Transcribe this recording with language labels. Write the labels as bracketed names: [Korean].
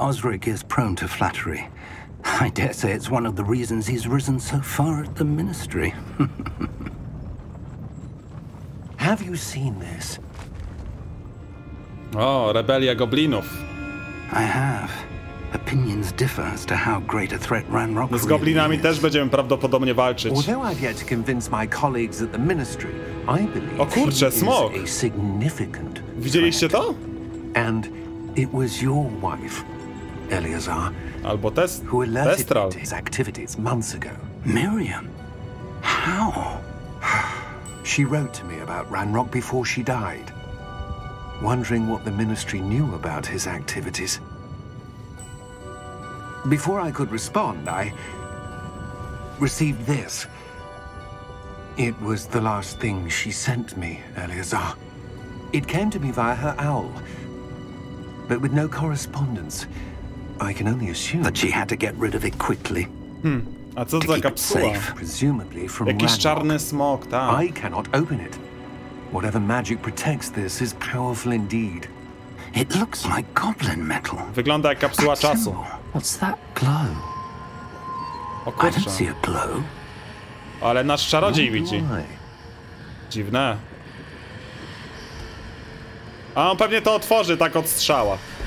[English] Osric is prone to flattery. I dare say it's one of the reasons he's risen so far at the ministry. Have you seen this? [Polish] Oh, Rebellia Goblinów. [English] I have. Opinions differ as to how great a threat Ranrock is. [Polish] Z goblinami też będziemy prawdopodobnie walczyć. [English] Although I've yet to convince my colleagues at the ministry, I believe [Polish] o kurczę, smog. [English] He is a significant threat. [Polish] Widzieliście to? [English] And it was your wife, Eleazar, [Polish] albo [English] who alerted me to his activities months ago. Miriam? How? She wrote to me about Ranrock before she died, wondering what the ministry knew about his activities. Before I could respond, I received this. It was the last thing she sent me, Eleazar. It came to me via her owl, but with no correspondence. I can only assume that she had to get rid of it quickly. [Polish] A co to za kapsuła? Jakiś czarny smok, tak. [English] I cannot open it. Whatever magic protects this is powerful indeed. It looks like goblin metal. [Polish] Wygląda jak kapsuła czasu. [English] What's that glow? [Polish] O kurczę. [English] I don't see a glow. [Polish] Ale nasz czarodziej widzi. Dziwne. A on pewnie to otworzy tak od strzała.